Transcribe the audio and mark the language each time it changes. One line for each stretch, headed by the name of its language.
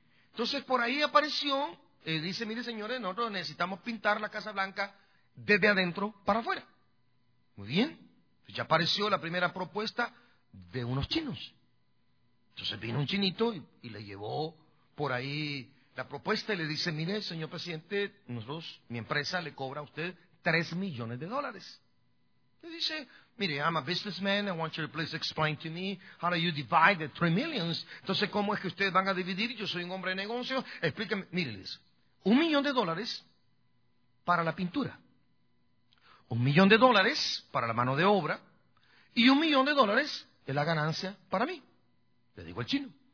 Spanish: Entonces por ahí apareció, dice, mire señores, nosotros necesitamos pintar la Casa Blanca desde adentro para afuera. Muy bien, ya apareció la primera propuesta de unos chinos. Entonces vino un chinito y le llevó por ahí la propuesta y le dice, mire señor presidente, nosotros, mi empresa le cobra a usted $3 millones. Le dice, mire,
English: I'm a businessman, I want you to please explain to me how do you divide the $3 million.
Spanish: Entonces, ¿cómo es que ustedes van a dividir? Yo soy un hombre de negocio. Explíqueme, mírenles, $1 millón para la pintura, $1 millón para la mano de obra y $1 millón es la ganancia para mí, le digo al chino.